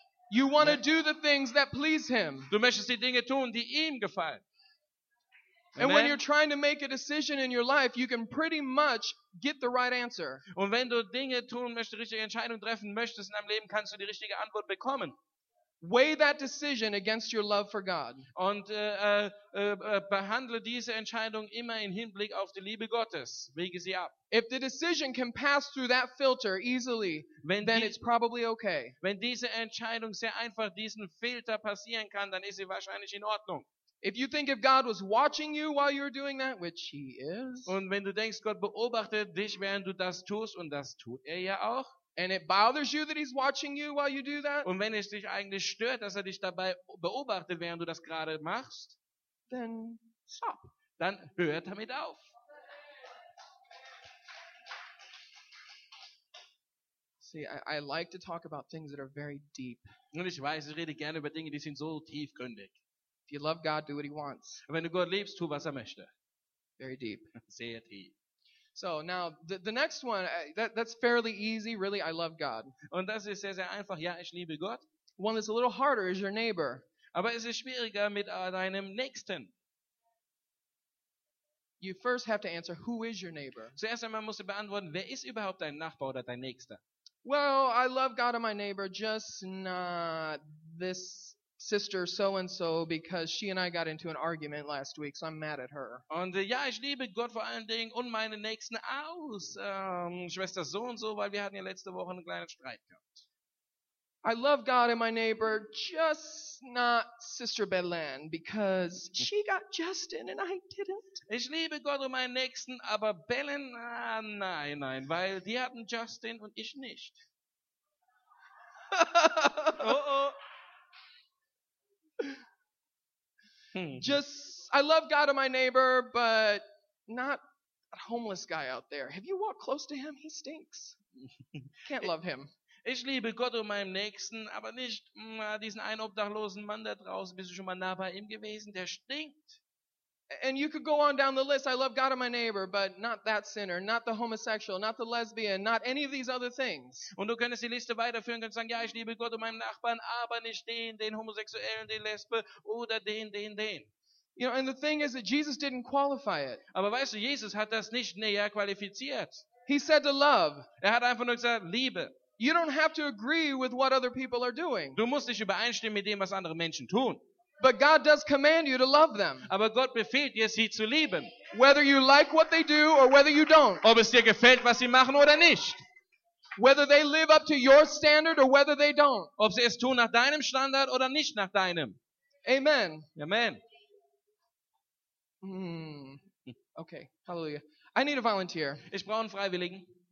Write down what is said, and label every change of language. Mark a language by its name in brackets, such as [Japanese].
[English] You want to do the things that please him. [German] Du möchtest die Dinge tun, die ihm gefallen. [English] And Amen. When you're trying to make a decision in your life, you can pretty much get the right answer. [German] Und wenn du Dinge tun möchtest, die richtige Entscheidung treffen möchtest in deinem Leben, kannst du die richtige Antwort bekommen. [English] Weigh that decision against your love for God. [German] Und behandle diese Entscheidung immer im Hinblick auf die Liebe Gottes. Wege sie ab. [English] If the decision can pass through that filter easily, then it's probably okay. [German] Wenn diese Entscheidung sehr einfach diesen Filter passieren kann, dann ist sie wahrscheinlich in Ordnung. [English] If you think if God was watching you while you're doing that, which he is. [German] Und wenn du denkst, Gott beobachtet dich, während du das tust, und das tut er ja auch. [English] And it bothers you that he's watching you while you do that. [German] Und wenn es dich eigentlich stört, dass er dich dabei beobachtet, während du das gerade machst, [English] then stop. [German] Dann hör damit auf. [English] See, I like to talk about things that are very deep. [German] Und ich weiß, ich rede gerne über Dinge, die sind so tiefgründig. [English] If you love God, do what he wants. [German] Wenn du Gott liebst, tu was er möchte. [English] Very deep. [German] Sehr tief. [English] So now the next one that's fairly easy, really. I love God. [German] Und das ist sehr einfach. Ja, ich liebe Gott. [English] One that's a little harder is your neighbor. [German] Aber es ist schwieriger mit deinem Nächsten. [English] You first have to answer who is your neighbor. [German] Zuerst einmal musst du beantworten, wer ist überhaupt dein Nachbar oder dein Nächster? [English] Well, I love God and my neighbor, just not this. Sister so and so, because she and I got into an argument last week, so I'm mad at her. [German] Und ja, ich liebe Gott vor allen Dingen und meine Nächsten aus Schwester so und so, weil wir hatten ja letzte Woche einen kleinen Streit gehabt. [English] I love God and my neighbor, just not Sister Belen, because she got Justin and I didn't. [German] Ich liebe Gott und meinen Nächsten, aber Belen, nein, weil die hatten Justin und ich nicht. Oh. [English] Just, I love God and my neighbor, but not a homeless guy out there. Have you walked close to him? He stinks. Can't love him. [German] Ich liebe Gott und meinem Nächsten, aber nicht diesen einen obdachlosen Mann da draußen. Bist du schon mal nah bei ihm gewesen? Der stinkt. [English] And you could go on down the list. I love God and my neighbor, but not that sinner, not the homosexual, not the lesbian, not any of these other things. [German] Und du könntest die Liste weiterführen und sagen, ja, ich liebe Gott und meinen Nachbarn, aber nicht den Homosexuellen, den Lesben oder den. [English] You know, and the thing is that Jesus didn't qualify it. [German] Aber weißt du, Jesus hat das nicht näher qualifiziert. [English] He said to love. [German] Er hat einfach nur gesagt, Liebe. [English] You don't have to agree with what other people are doing. [German] Du musst dich übereinstimmen mit dem, was andere Menschen tun. [English] But God does command you to love them. [German] Aber Gott befiehlt dir, sie zu lieben. [English] Whether you like what they do or whether you don't. [German] Ob es dir gefällt, was sie machen oder nicht. [English] Whether they live up to your standard or whether they don't. [German] Ob sie es tun nach deinem Standard oder nicht nach deinem. [English] Amen. [German] Amen. [English] Okay, hallelujah. I need a volunteer. [German] Ich brauche einen Freiwilligen.